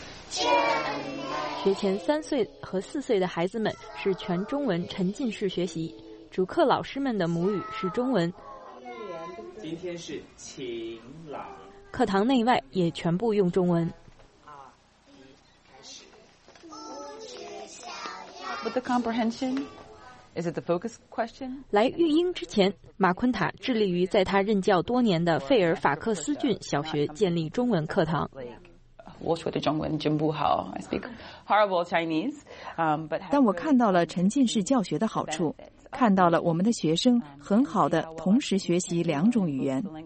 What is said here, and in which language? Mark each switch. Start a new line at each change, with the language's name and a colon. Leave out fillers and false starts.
Chinese: 学前3岁和4岁的孩子们是全中文沉浸式学习，主课老师们的母语是中文，今天是晴朗，课堂内外也全部用中文。
English: With the comprehension, is it the focus question?
Chinese: 来育婴之前，马昆塔致力于在他任教多年的费尔法克斯郡小学建立中文课堂。我说的中文真不好 ，
English: I speak horrible Chinese，
Chinese: 但我看到了沉浸式教学的好处。看到了我们的学生很好的同时学习两种语言。